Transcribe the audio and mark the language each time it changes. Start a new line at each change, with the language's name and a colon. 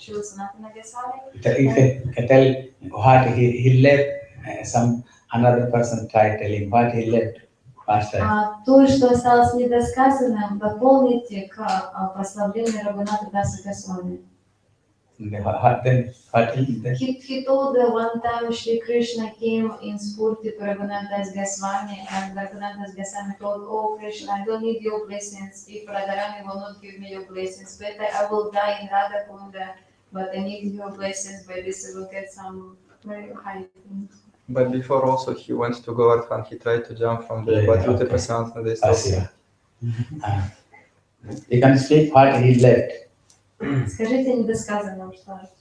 English: I told how Rabbanat Das Goswami was very dear to Rupa and she was Sanatana Goswami. You can tell what he left, some another person tried telling what he left.
Russian: То, что осталось недосказанным, дополните к прославлению Раббанат Даса Госвами.
English: in the heart, then heart healing. Then. He told that one time Shri Krishna came in Spurti Raghunathas Goswami, and Raghunathas Goswami told, oh Krishna, I don't need your blessings. If Radharani will not give me your blessings, better I will die in Radha Kunda, but I need your blessings. By this, I will get some very high things. But before also he went to Govardhan, he tried to jump from there, but Yuta Prasanth and this. You can speak what he left.
Russian: Скажите недосказанно, что.